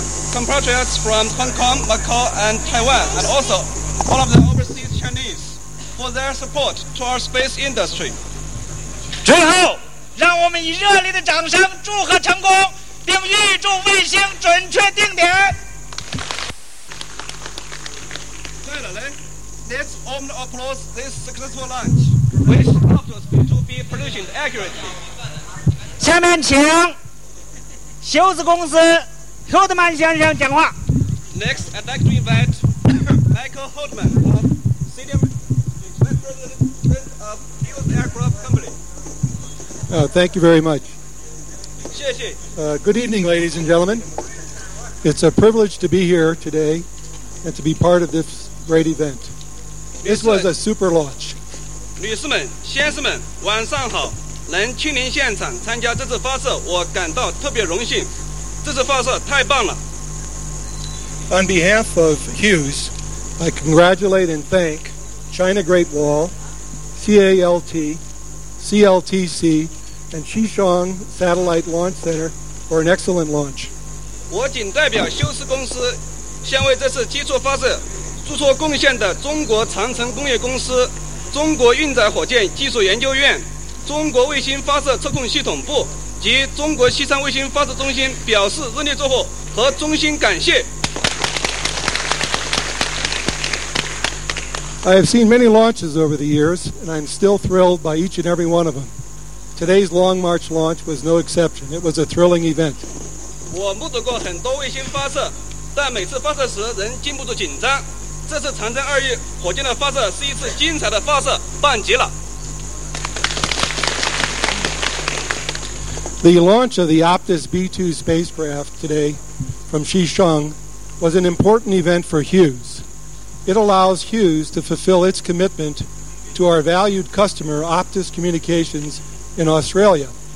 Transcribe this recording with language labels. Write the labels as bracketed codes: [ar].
[en] Compatriots from Hong Kong, Macau, and Taiwan, and also all of the overseas Chinese for their support to our space industry. [zh] 最后，让我们以热烈的掌声祝贺成功，并预祝卫星准确定点。对了嘞 [en] ，Let's all applause this successful launch, which appears to be positioned accurately. [zh] 下面请休斯公司。霍德曼先生讲话。 [en] Next, I'd like to invite Michael Holtman of Senior Vice President of Hughes Aircraft Company. Thank you very much. [zh] 谢谢。 [en] Good evening, ladies and gentlemen. It's a privilege to be here today and to be part of this great event. This was a super launch. [zh] 女士们、先生们，晚上好！能亲临现场参加这次发射，我感到特别荣幸。这次发射太棒了。 [en] On behalf of Hughes, I congratulate and thank China Great Wall, CALT, CLTC, and Xishan Satellite Launch Center for an excellent launch. [zh] 我仅代表休斯公司，向为这次基础发射做出贡献的中国长城工业公司、中国运载火箭技术研究院、中国卫星发射测控系统部。及中国西昌卫星发射中心表示热烈祝贺和衷心感谢。 [en] I have seen many launches over the years, and I'm still thrilled by each and every one of them. Today's Long March launch was no exception. It was a thrilling event. [zh] 我目睹过很多卫星发射，但每次发射时仍禁不住紧张。这次长征二月火箭的发射是一次精彩的发射，棒极了。 [en] The launch of the Optus B2 spacecraft today from Xishan was an important event for Hughes. It allows Hughes to fulfill its commitment to our valued customer, Optus Communications, in Australia.